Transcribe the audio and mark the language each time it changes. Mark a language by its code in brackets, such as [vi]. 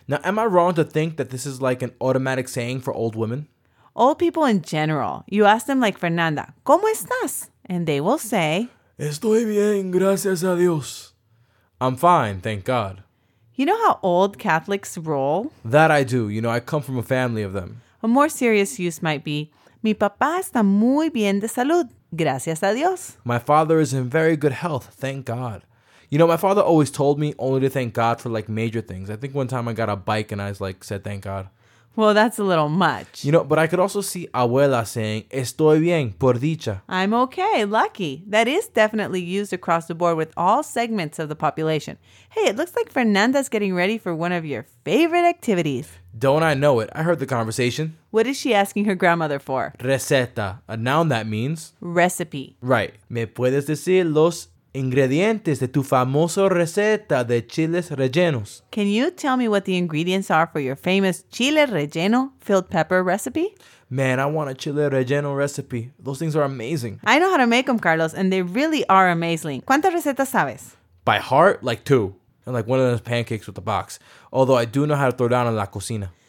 [en] Now, am I wrong to think that this is like an automatic saying for old women? Old people in general. You ask them like Fernanda, [es] ¿cómo estás? [en] And they will say, [es] estoy bien, gracias a Dios. [en] I'm fine, thank God. You know how old Catholics roll? That I do. You know, I come from a family of them. A more serious use might be, [es] mi papá está muy bien de salud. Gracias a Dios. [en] My father is in very good health, thank God. You know, my father always told me only to thank God for, like, major things. I think one time I got a bike and I, like, said thank God. Well, that's a little much. You know, but I could also see abuela saying, [es] estoy bien, por dicha. [en] I'm okay, lucky. That is definitely used across the board with all segments of the population. Hey, it looks like Fernanda's getting ready for one of your favorite activities. Don't I know it. I heard the conversation. What is she asking her grandmother for? Receta. A noun that means? Recipe. Right. [es] ¿Me puedes decir los ingredientes de tu famoso receta de chiles rellenos? [en] Can you tell me what the ingredients are for your famous chile relleno filled pepper recipe? Man, I want a chile relleno recipe. Those things are amazing. I know how to make them, Carlos, and they really are amazing. [es] ¿Cuántas recetas sabes? [en] By heart, like two. And like one of those pancakes with the box. Although I do know how to throw down in [es] la cocina.